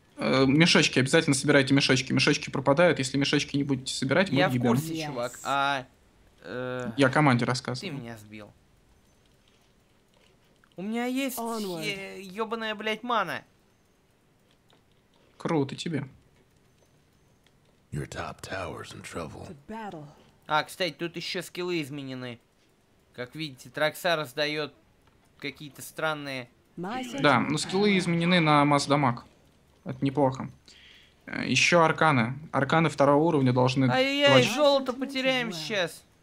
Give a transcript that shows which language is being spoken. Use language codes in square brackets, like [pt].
[ru] Мешочки, обязательно собирайте мешочки. Мешочки пропадают, если мешочки не будете собирать, мы въебем. Я в курсе, чувак, а... Я команде рассказываю. Ты меня сбил. У меня есть ёбаная, блядь, мана. Круто тебе. [en] Your top tower's in trouble. [ru] А, кстати, тут еще скиллы изменены. Как видите, Тракса раздает какие-то странные... Да, но скиллы изменены на масс-дамаг. Это неплохо. Еще арканы. Арканы второго уровня должны... Ай-яй-яй, золото потеряем сейчас.